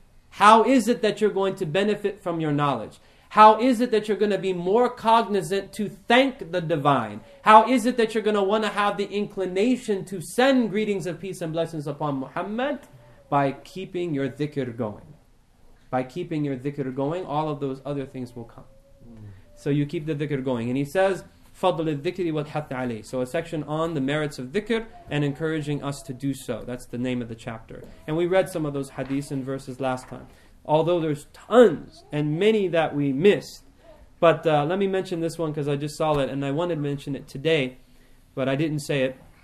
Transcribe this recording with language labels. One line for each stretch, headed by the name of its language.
English: How is it that you're going to benefit from your knowledge? How is it that you're going to be more cognizant to thank the divine? How is it that you're going to want to have the inclination to send greetings of peace and blessings upon Muhammad? By keeping your dhikr going. By keeping your dhikr going, all of those other things will come. So you keep the dhikr going. And he says,
Arabic: فضل الذكر والحث عليه.
English: So a section on the merits of dhikr and encouraging us to do so. That's the name of the chapter. And we read some of those hadiths and verses last time. Although there's tons and many that we missed. But let me mention this one because I just saw it and I wanted to mention it today. But I didn't say it.